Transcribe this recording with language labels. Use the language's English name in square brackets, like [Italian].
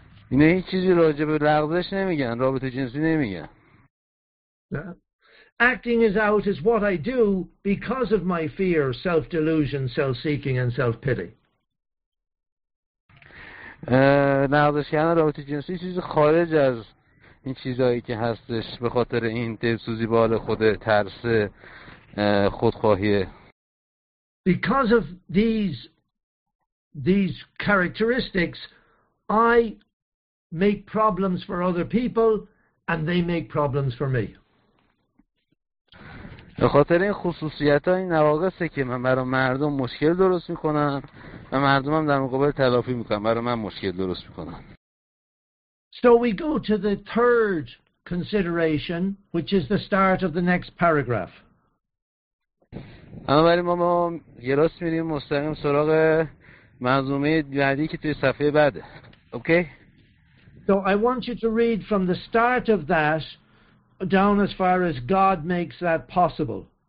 [Persian] اینا هیچ چیزی راجع به لغزش نمیگن، رابطه جنسی نمیگن. [English] Acting is out is what I do because of my fear, self-delusion, self-seeking and self-pity. [Persian] لغزش کردن رابطه جنسی چیز خارج از این چیزایی که هستش، به خاطر این دلسوزی بال خود، ترس خودخواهیه. [English] Because of these characteristics, I make problems for other people and they make problems for me. [Persian] به خاطر این خصوصیت ها، این نواقصه که من برای مردم مشکل درست میکنم و مردم هم در مقابل تلافی میکنم، برای من مشکل درست میکنم. [English] So we go to the third consideration, which is the start of the next paragraph. [Persian] بنابراین ما یه راست میریم مستقیم سراغ منظومه بعدی که توی صفحه بعده. [English] Okay? So I want you to read from the start of that down as far as God makes that possible.